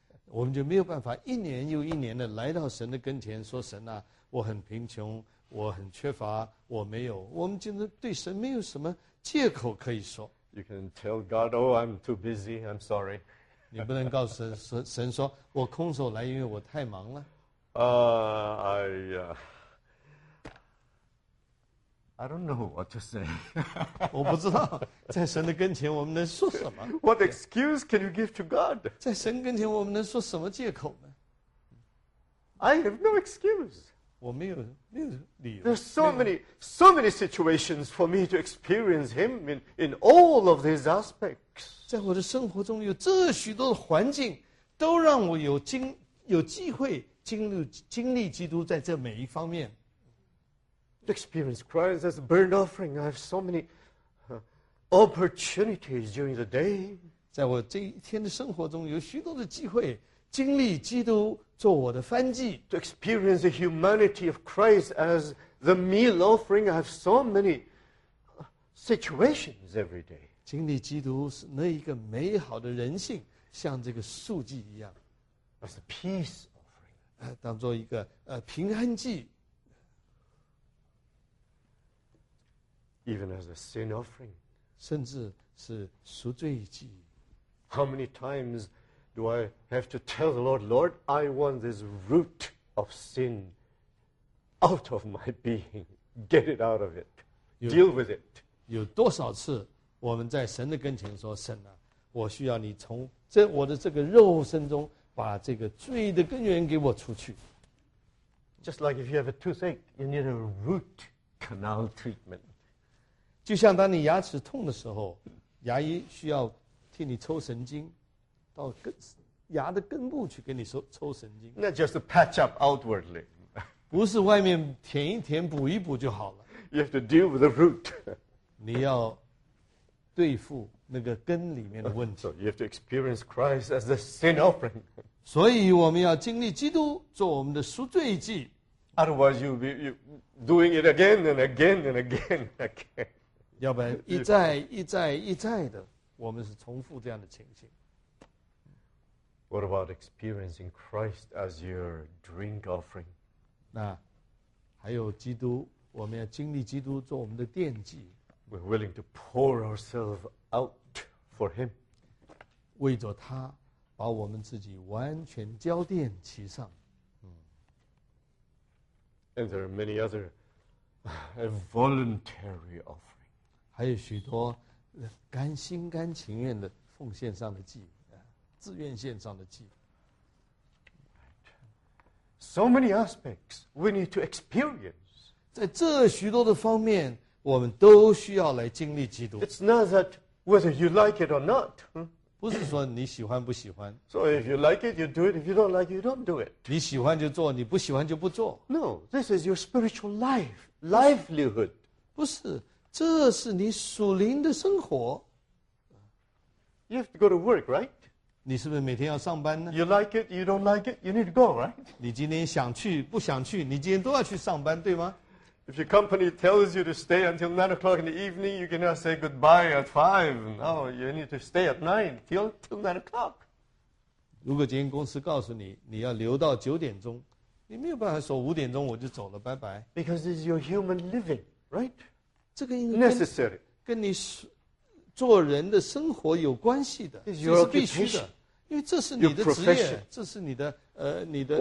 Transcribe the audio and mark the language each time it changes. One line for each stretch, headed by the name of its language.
Chinese: 我们就没有办法一年又一年的来到神的跟前说，神啊，我很贫穷，我很缺乏，我没有。我们今天对神没有什么借口可以说。
English: You can tell God, "Oh, I'm too busy. I'm sorry."
Chinese: 你不能告诉神说我空手来，因为我太忙了。
English: I don't know what to say.
Chinese: 我不知道在神的跟前我们能说什么。
English: What excuse can you give to God?
Chinese: 在神跟前我们能说什么借口呢？
English: I have no excuse.
Chinese: 我没有理由。
English: There's so many situations for me to experience Him in all of these aspects.
Chinese: 在我的生活中有这许多的环境，都让我有机会经历基督在这每一方面。
English: To experience Christ as a burnt offering, I have so many opportunities during the day.
Chinese: 在我这一天的生活中，有许多的机会经历基督做我的燔祭。
English: To experience the humanity of Christ as the meal offering, I have so many situations every day.
Chinese: 经历基督是那一个美好的人性，像这个素祭一样。
English: As a peace offering,
Chinese: 当做一个平安祭。
English: Even as a sin offering,
Chinese: 甚至是赎罪祭。
English: How many times do I have to tell the Lord, "Lord, I want this root of sin out of my being. Get it out of it. Deal with it."
Chinese: 有多少次我们在神的跟前说，神啊，我需要你从这我的这个肉身中把这个罪的根源给我除去。
English: Just like if you have a toothache, you need a root canal treatment.
Chinese: 就像当你牙齿痛的时候，牙医需要替你抽神经，到牙的根部去给你抽神经。那
English: just patch up outwardly，
Chinese: 不是外面填一填、补一补就好了。
English: You have to deal with the root，
Chinese: 你要对付那个根里面的问题。
English: So you have to experience Christ as the sin offering。
Chinese: 所以我们要经历基督做我们的赎罪祭。
English: Otherwise, you'll be doing it again and again and again and again.
Chinese: 要不然一再一再一再的，我们是重复这样的情形。
English: What about experiencing Christ as your drink offering?
Chinese: 那还有基督，我们要经历基督做我们的奠祭。
English: We're willing to pour ourselves out for Him.
Chinese: 为着他，把我们自己完全交奠其上。
English: And there are many other voluntary offerings.
Chinese: 还有许多甘心甘情愿的奉献上的祭，自愿献上的祭。
English: so many aspects we need to experience.
Chinese: 在这许多的方面，我们都需要来经历基督。
English: It's not that whether you like it or not.
Chinese: 不是说你喜欢不喜欢。
English: So if you like it, you do it. If you don't like it, you don't do it.
Chinese: 你喜欢就做，你不喜欢就不做。
English: No, this is your spiritual life, livelihood.
Chinese: 不是，这是你属灵的生活。
English: You have to go to work, right?
Chinese: 你是不是每天要上班呢
English: ？You like it, you don't like it, you need to go, right?
Chinese: 你今天想去不想去，你今天都要去上班，对吗
English: ？If your company tells you to stay until 9 o'clock in the evening, you cannot say goodbye at 5. No, you need to stay at 9 till 9 o'clock.
Chinese: 如果今天公司告诉你你要留到9点钟，你没有办法说5点钟我就走了，拜拜。
English: Because it's your human living, right?
Chinese: 这个应该
English: necessary
Chinese: 跟你做人的生活有关系的，这是必须的，因为这是你的职业，这是你的你的。